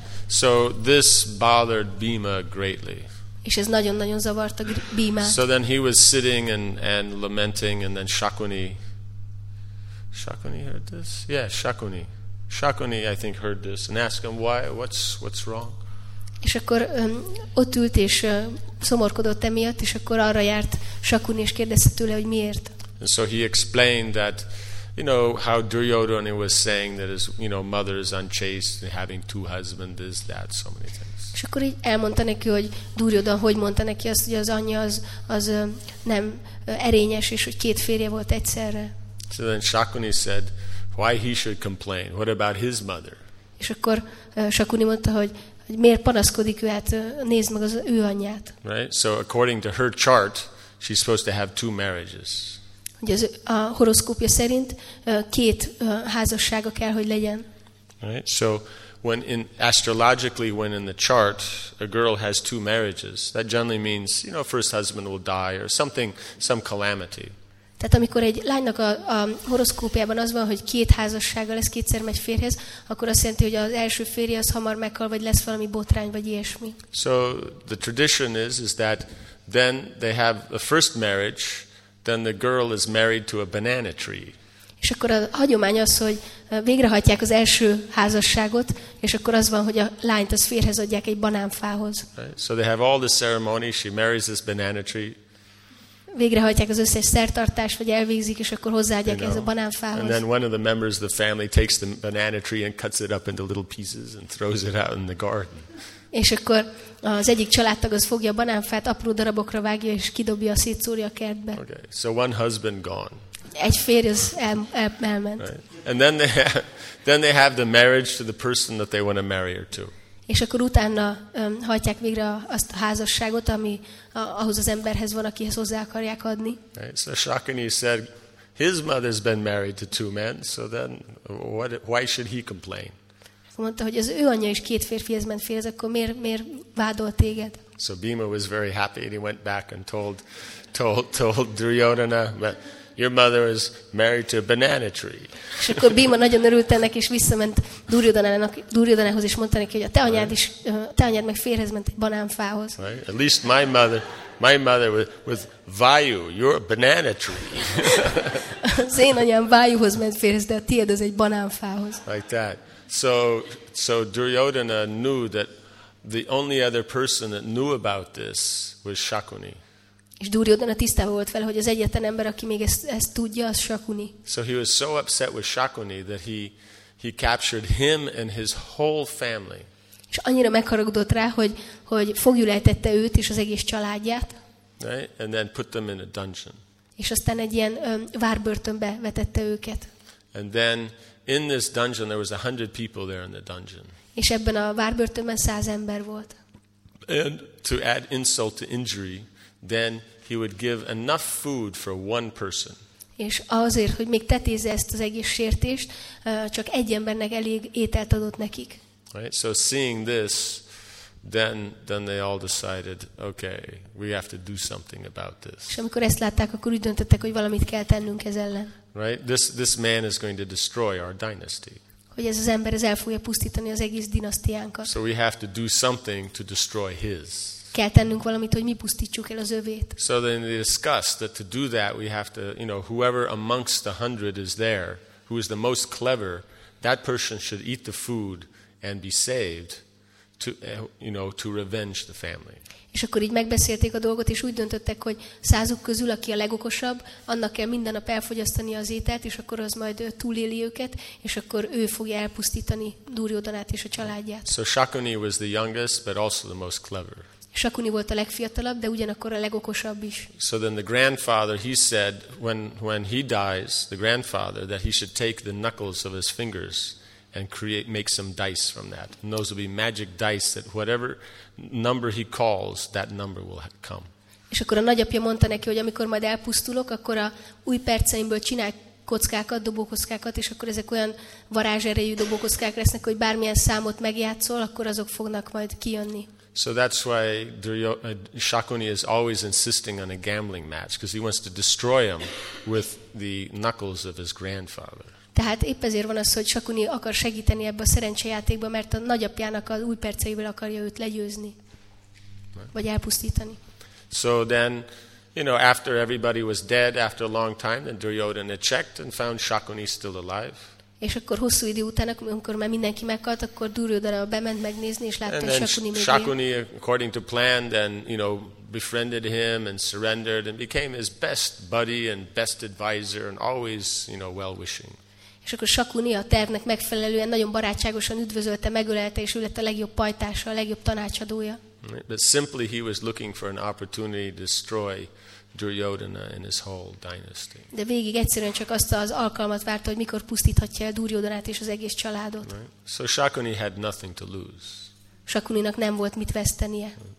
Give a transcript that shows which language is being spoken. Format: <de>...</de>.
<en>So this bothered Bhima greatly.</en> <hu>És ez nagyon-nagyon zavarta Bhimát.</hu> <en>So then he was sitting and lamenting, and then Shakuni heard this. Yeah, Shakuni, I think heard this and asked him why, what's wrong.</en> <hu>És akkor ott ült és szomorkodott emiatt, és akkor arra járt Shakuni és kérdezte tőle, hogy miért.</hu> <en>And so he explained that, you know, how Duryodhana was saying that his, you know, mother is unchaste and having two husbands, this, that, so many things.</en> <hu>És akkor így elmondta neki, hogy Duryodhana hogy mondta neki azt, hogy az anyja az nem erényes, és hogy két férje volt egyszerre.</hu> <en>So then Shakuni said, why he should complain? What about his mother?</en> <hu>És akkor Shakuni mondta, hogy miért panaszkodik ő, hát nézd meg az ő anyját.</hu> <en>Right? So according to her chart, she's supposed to have two marriages.</en> <hu>Ugye a horoszkópja szerint két házassága kell, hogy legyen.</hu> <en>Right. So when in astrologically when in the chart a girl has two marriages, that generally means, you know, first husband will die or something, some calamity.</en> <hu>Tehát amikor egy lánynak a horoszkópjában az van, hogy két házassága lesz, kétszer megy férjhez, akkor azt jelenti, hogy az első férje az hamar meghal, vagy lesz valami botrány, vagy ilyesmi.</hu> <en>So the tradition is that then they have a first marriage, then the girl is married to a banana tree.</en> <hu>És akkor a hagyomány az, hogy végrehajtják az első házasságot, és akkor az van, hogy a lányt az férhez adják egy banánfához.</hu> <en>Right. So they have all the ceremony, she marries this banana tree.</en> <hu>Végrehajtják az összes szertartást, vagy elvégzik, és akkor hozzáadják ez a banánfához.</hu> <en>And then one of the members of the family takes the banana tree and cuts it up into little pieces and throws it out in the garden.</en> <hu>És akkor az egyik családtag az fogja a banánfát, apró darabokra vágja, és kidobja, szétszórja a kertbe.</hu> <en>Okay, so one husband gone.</en> <hu>Egy férj az elment.</hu> <en>Right. And then they have the marriage to the person that they want to marry her to.</en> <hu>És akkor utána hajtják végre azt a házasságot, ami ahhoz az emberhez van, akihez hozzá akarják adni.</hu> <en>Right. So Shakuni said, his mother's been married to two men, so then why should he complain?</en> <hu>Mondta, hogy az ő anyja is két férfihez ment férhez, akkor miért vádolt téged?</hu> <en>So Bhima was very happy and he went back and told Duryodhana, but your mother is married to a banana tree.</en> <hu>És akkor Bhima nagyon örült ennek, és visszament Duryodhanához, és mondta neki, hogy a te anyád is, te anyád meg férhez ment egy banánfához.</hu> <en>Right? At least my mother was Vayu, you're a banana tree.</en> <hu>Az én anyám Vayuhoz ment férhez, de a tiéd az egy banánfához.</hu> <en>Like that. So Duryodhana knew that the only other person that knew about this was Shakuni.</en> <hu>És Duryodhana tisztában volt vele, hogy az egyetlen ember, aki még ezt tudja, az Shakuni.</hu> <en>So he was so upset with Shakuni that he captured him and his whole family.</en> <hu>És annyira megharagudott rá, hogy foglyul ejtette őt és az egész családját.</hu> <en>Right? And then put them in a dungeon.</en> <hu>És aztán egy ilyen várbörtönbe vetette őket.</hu> <en>And then in this dungeon there was 100 people there in the dungeon.</en> <hu>És ebben a várbörtönben 100 ember volt.</hu> <en>And to add insult to injury, then he would give enough food for one person.</en> <hu>És azért, hogy még tetézze ezt az egész sértést, csak egy embernek elég ételt adott nekik.</hu> <en>Right? So seeing this, then they all decided, okay, we have to do something about this.</en> <hu>És amikor ezt látták, akkor úgy döntöttek, hogy valamit kell tennünk ez ellen.</hu> <en>Right, this man is going to destroy our dynasty.</en> <hu>Hogy ez az ember ez el fogja pusztítani az egész dinasztiánkat.</hu> <en>So we have to do something to destroy his.</en> <hu>Kell tennünk valamit, hogy mi pusztítsuk el az övét.</hu> <en>So then they discussed that to do that we have to, you know, whoever amongst the 100 is there, who is the most clever, that person should eat the food and be saved to, you know, to revenge the family.</en> <hu>És akkor így megbeszélték a dolgot, és úgy döntöttek, hogy százuk közül, aki a legokosabb, annak kell minden nap elfogyasztani az ételt, és akkor az majd túléli őket, és akkor ő fogja elpusztítani Duryodhanát és a családját.</hu> <en>So Shakuni was the youngest, but also the most clever.</en> <hu>Shakuni volt a legfiatalabb, de ugyanakkor a legokosabb is.</hu> <en>So then the grandfather, he said, when he dies, the grandfather, that he should take the knuckles of his fingers and create make some dice from that. And those will be magic dice that whatever number he calls, that number will come.</en> <hu>És akkor a nagyapja mondta neki, hogy amikor majd elpusztulok, akkor a új perceimből csinálj kockákat, dobókockákat, és akkor ezek olyan varázserejű dobókockák lesznek, hogy bármilyen számot megjátszol, akkor azok fognak majd kijönni.</hu> <en>So that's why Shakuni is always insisting on a gambling match, because he wants to destroy him with the knuckles of his grandfather.</en> <hu>Tehát épp ezért van az, hogy Shakuni akar segíteni ebbe a szerencsejátékba, mert a nagyapjának az új perceivel akarja őt legyőzni, vagy elpusztítani.</hu> <en>So then, you know, after everybody was dead after a long time, then Duryodhana checked and found Shakuni still alive.</en> <hu>És akkor hosszú idő után, amikor már mindenki meghalt, akkor Duryodhana bement megnézni és látta, hogy Shakuni még él.</hu> <en>Shakuni, according to plan, then, you know, befriended him and surrendered and became his best buddy and best advisor and always, you know, well-wishing.</en> <hu>És akkor Shakuni a tervnek megfelelően nagyon barátságosan üdvözölte, megölelte és ő lett a legjobb pajtása, a legjobb tanácsadója.</hu> <en>But simply he was looking for an opportunity to destroy Duryodhana and his whole dynasty.</en> <hu>De végig egyszerűen csak azt az alkalmat várta, hogy mikor pusztíthatja el Duryodhanát és az egész családot.</hu> <en>Right. So Shakuni had nothing to lose.</en> <hu>Shakuninak nem volt mit vesztenie.</hu>